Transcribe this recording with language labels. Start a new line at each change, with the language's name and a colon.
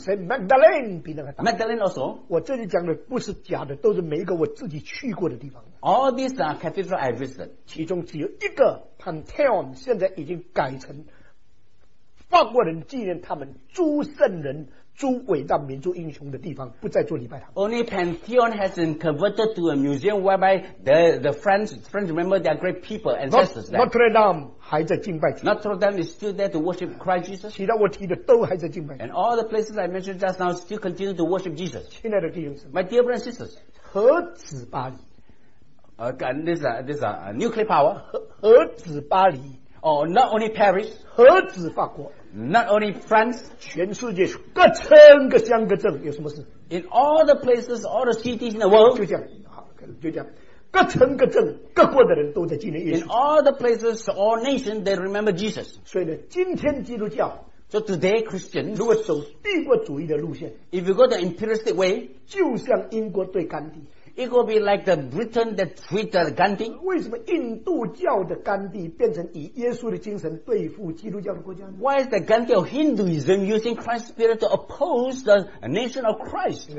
Chinese: 圣马德莲比那个大。
English: Magdalene also.
Chinese: 我这里讲的不是假的，都是每一个我自己去过的地方。
English: All these are cathedrals I visited.
Chinese: 其中只有一个 Pantheon 现在已经改成。法国人纪念他们诸圣人、诸伟大民族英雄的地方，不再做礼拜堂。
English: Only Pantheon has been converted to a museum whereby the French remember their great people and ancestors.
Chinese: Notre Dame 还在敬拜主。Notre
English: Dame is still there to worship Christ Jesus.
Chinese: 其他我提的都还在敬拜主。
English: And all the places I mentioned just now still continue to worship Jesus.
Chinese: 亲爱的弟兄姊妹，
English: My dear brothers and sisters,
Chinese: 何止巴黎
English: ？This is a nuclear power.
Chinese: 何止巴黎？
English: Oh, not only Paris,
Chinese: 何止法国,
English: not only France,
Chinese: 全世界各城各乡各镇, 有什么事?
English: In all the places, all the cities in the world,
Chinese: 就这样,各城各镇,
English: in all the places, all nations, they remember Jesus.
Chinese: 所以呢,今天基督教,
English: so today, Christians,
Chinese: 如果走帝国主义的路线,
English: if you go the imperialist way,
Chinese: 就像英国对甘地,
English: it will be like the Britain that treated Gandhi.
Chinese: 为什么印度教的甘地变成以耶稣的精神对付基督教的国家呢?
English: Why is the Gandhi of Hinduism using Christ's spirit to oppose the nation of Christ?